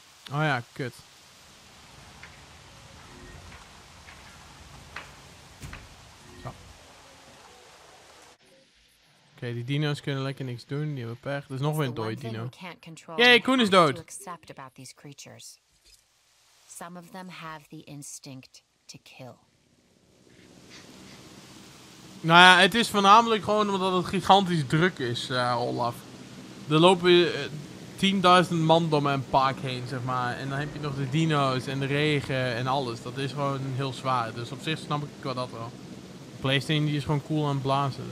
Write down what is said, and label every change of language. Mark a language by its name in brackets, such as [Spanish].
[Dutch] Oh ja, kut. Zo. Oké, die dino's kunnen lekker niks doen. Die hebben pech. Er is nog weer een dode dino. Jee, Koen is dood. [English] Accept about these creatures. Some of them have the instinct to kill. [Dutch] Nou ja, het is voornamelijk gewoon omdat het gigantisch druk is, Olaf. Er lopen 10.000 man door mijn park heen, zeg maar. En dan heb je nog de dino's en de regen en alles. Dat is gewoon heel zwaar. Dus op zich snap ik wel dat wel. De PlayStation die is gewoon cool aan het blazen.